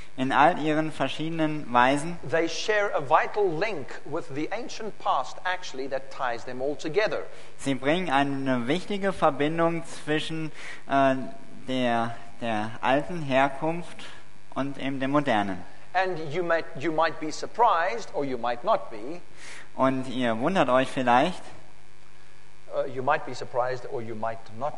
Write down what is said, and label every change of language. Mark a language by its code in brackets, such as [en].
[de] In all ihren verschiedenen Weisen. [en] They share a vital link with the ancient past, actually, that ties them all together. [de] Sie bringen eine wichtige Verbindung zwischen der alten Herkunft und eben dem modernen. [en] And you might be surprised, or you might not be. [de] Und ihr wundert euch vielleicht. [en] You might be surprised, or you might not.